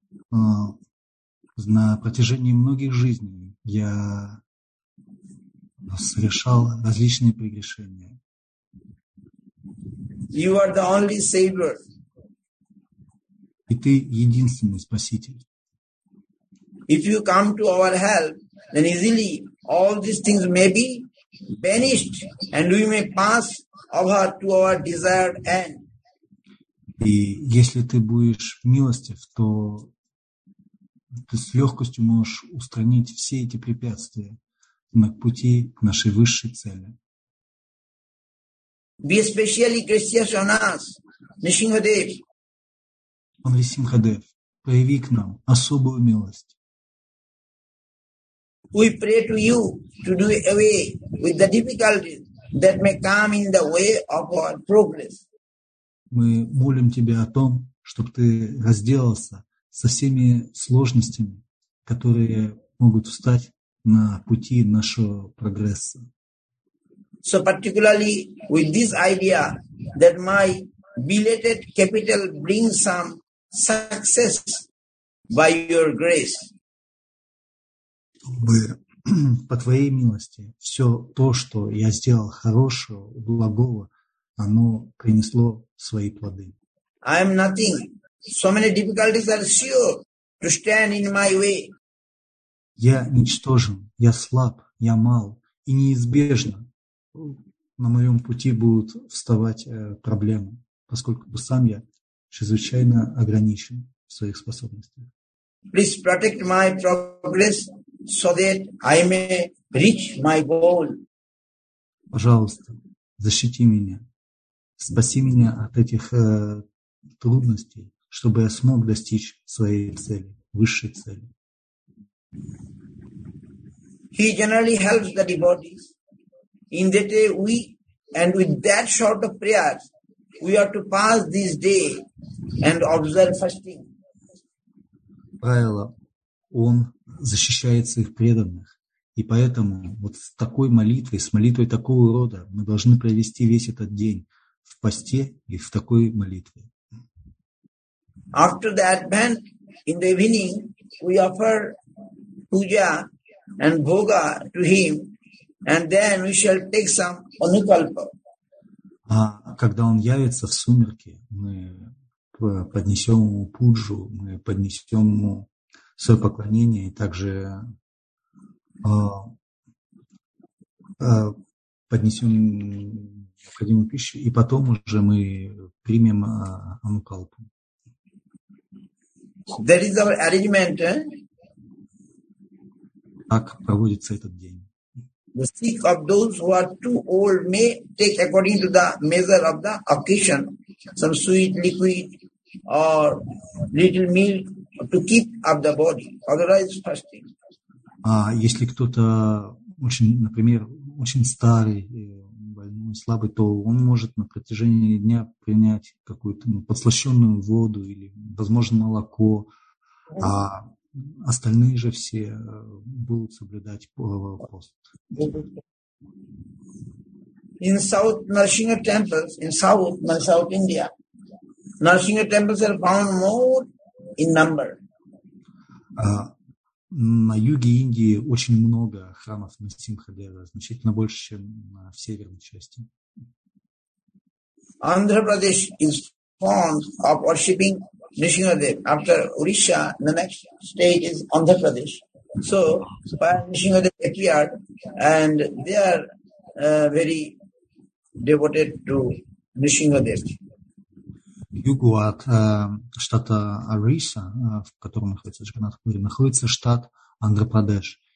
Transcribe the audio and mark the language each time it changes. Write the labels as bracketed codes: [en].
[ru] На протяжении многих жизней я совершал различные прегрешения. [en] You are the only savior. [ru] И ты единственный спаситель. [en] If you come to our help, then easily all these things may be banished, and we may pass over to our desired end. [ru] И если ты будешь милостив, то ты с легкостью можешь устранить все эти препятствия на пути к нашей высшей цели. [en] Be especially gracious on us, Nrisimhadev. [ru] О Нрисимхадев, прояви к нам особую милость. [en] We pray to you to do away with the difficulties that may come in the way of our progress. [ru] Мы молим тебя о том, чтобы ты разделался со всеми сложностями, которые могут встать на пути нашего прогресса. [en] So particularly with this idea that my belated capital brings some success by your grace. [ru] Чтобы, по твоей милости, все то, что я сделал хорошего, благого, оно принесло свои плоды. [en] I am nothing. So many difficulties are sure to stand in my way. [ru] Я ничтожен, я слаб, я мал, и неизбежно на моем пути будут вставать проблемы, поскольку сам я чрезвычайно ограничен в своих способностях. [en] Please protect my progress so that I may reach my goal. [ru] Пожалуйста, защити меня, спаси меня от этих трудностей, чтобы я смог достичь своей цели, высшей цели. [en] He generally helps the devotees in that day we and with that sort of prayers we are to pass this day and observe fasting. [ru] Правило, он защищает своих преданных, и поэтому вот с такой молитвой, с молитвой такого рода мы должны провести весь этот день в посте и в такой молитве. [en] After the advent in the evening we offer puja and bhoga to him, and then we shall take some anukalpa. А [ru] А когда он явится в сумерки, мы поднесем ему пуджу, мы поднесем ему свое поклонение и также поднесем необходимую пищу, и потом уже мы примем анукалпу. [en] There is our arrangement. [ru] Так проводится этот день. [en] The sick of those who are too old may take according to the measure of the occasion some sweet liquid or little meal to keep up the body. Otherwise, fasting. [ru] А если кто-то очень, например, очень старый, больной, слабый, то он может на протяжении дня принять какую-то подслащённую воду или, возможно, молоко, а остальные же все будут соблюдать пост. [en] In South Narsingha temples, in South, South India, Narsingha temples are found more in number. [ru] На юге Индии очень много храмов Нарсимхадева, значительно больше, чем в северной части. [en] Andhra Pradesh is fond of worshipping Nrisimhadev. After Orissa, the next state is Andhra Pradesh. So, Nrisimhadev appeared and they are very devoted to Nrisimhadev. [ru] К югу от штата Ориса, в котором находится Джаганнат Пури, находится штат Андхра-Прадеш.